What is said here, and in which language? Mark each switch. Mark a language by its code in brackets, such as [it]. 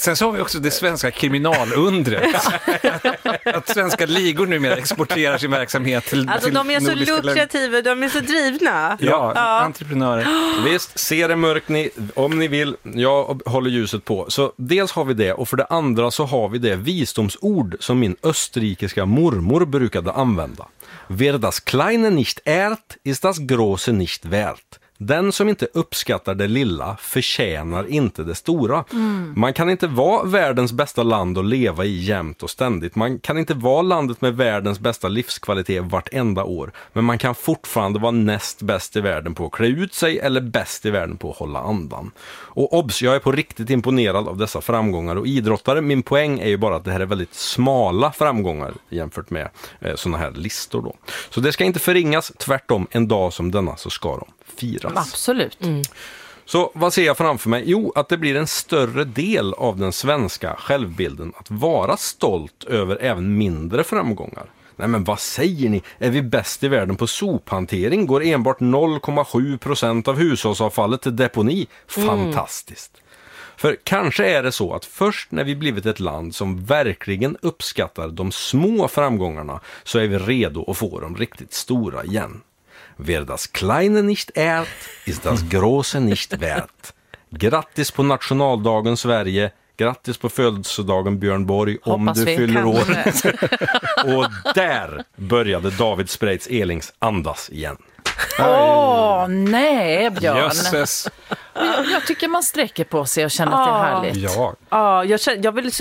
[sv] Sen så har vi också det svenska kriminalundret. att svenska ligor numera exporterar sin verksamhet till nordiska länder. Alltså de är så lukrativa, de är så drivna. Ja, ja, entreprenörer. Visst, se det mörkt ni, om ni vill. Jag håller ljuset på. Så dels har vi det, och för det andra så har vi det visdomsord som min österrikiska mormor brukade använda. [de] Wer das kleine nicht ehrt, ist das große nicht wert. [sv] Den som inte uppskattar det lilla förtjänar inte det stora. Mm. Man kan inte vara världens bästa land att leva i jämt och ständigt. Man kan inte vara landet med världens bästa livskvalitet vartenda år. Men man kan fortfarande vara näst bäst i världen på att klä ut sig eller bäst i världen på att hålla andan. Och obs, jag är på riktigt imponerad av dessa framgångar och idrottare. Min poäng är ju bara att det här är väldigt smala framgångar jämfört med sådana här listor då. Så det ska inte förringas, tvärtom, en dag som denna så ska de firas. Absolut. Mm. Så vad ser jag framför mig? Jo, att det blir en större del av den svenska självbilden att vara stolt över även mindre framgångar. Nej, men vad säger ni? Är vi bäst i världen på sophantering? Går enbart 0,7% av hushållsavfallet till deponi? Fantastiskt. Mm. För kanske är det så att först när vi blivit ett land som verkligen uppskattar de små framgångarna så är vi redo att få de riktigt stora igen. [de] Wer das kleine nicht ehrt, ist das große nicht wert. [sv] Grattis på nationaldagen Sverige. Grattis på födelsedagen Björn Borg. Hoppas om du fyller kan år. Och där började David Spreitz Elings andas igen. Åh, oh, nej Björn. Jösses. Jag tycker man sträcker på sig och känner att det är härligt.